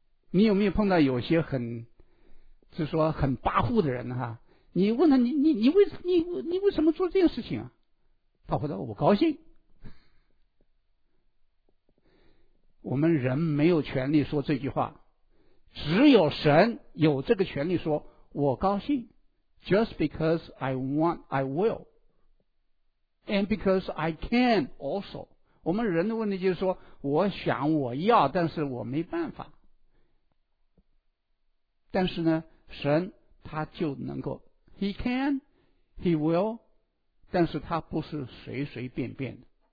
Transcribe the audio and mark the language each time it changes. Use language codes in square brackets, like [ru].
[zh] 你有没有碰到有些很就是说很跋扈的人哈？你问他你为什么做这件事情啊？他回答我高兴。我们人没有权利说这句话，只有神有这个权利说我高兴。 [en] Just because I want I will and because I can also。 [zh] 我们人的问题就是说我想我要，但是我没办法。但是呢，神他就能够 [en] He can He will， [zh] 但是他不是随随便便的。